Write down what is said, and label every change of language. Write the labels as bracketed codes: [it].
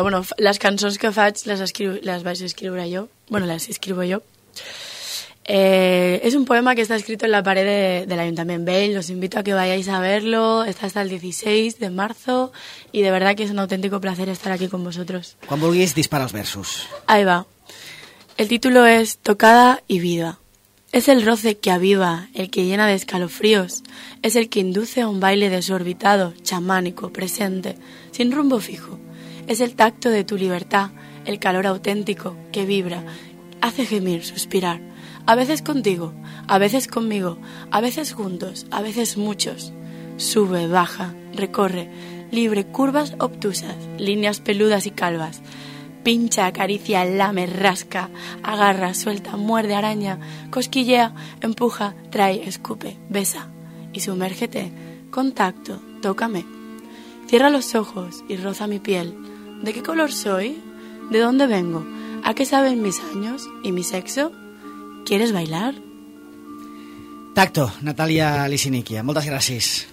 [ca] Bueno, les cançons que faig les vaig escriure jo. Bueno, les escrivo jo. És un poema que està escrit en la paret de l'Ajuntament Vell. [es] Os invito a que vayáis a verlo. Està hasta el 16 de marzo. Y de verdad que es un auténtico placer estar aquí con vosotros. Quan vulguis, dispara els versos. Ahí va. El título es Tocada y Vida. Es el roce que aviva, el que llena de escalofríos. Es el que induce a un baile desorbitado, chamánico, presente, sin rumbo fijo. Es el tacto de tu libertad, el calor auténtico que vibra, hace gemir, suspirar. A veces contigo, a veces conmigo, a veces juntos, a veces muchos. Sube, baja, recorre, libre curvas obtusas, líneas peludas y calvas. Pincha, acaricia, lame, rasca, agarra, suelta, muerde, araña, cosquillea, empuja, trae, escupe, besa y sumérgete, contacto, tócame. Cierra los ojos y roza mi piel. ¿De qué color soy? ¿De dónde vengo? ¿A qué saben mis años y mi sexo? ¿Quieres bailar? [ca] Tacto, Natàlia Lisiníquia. Moltes gràcies.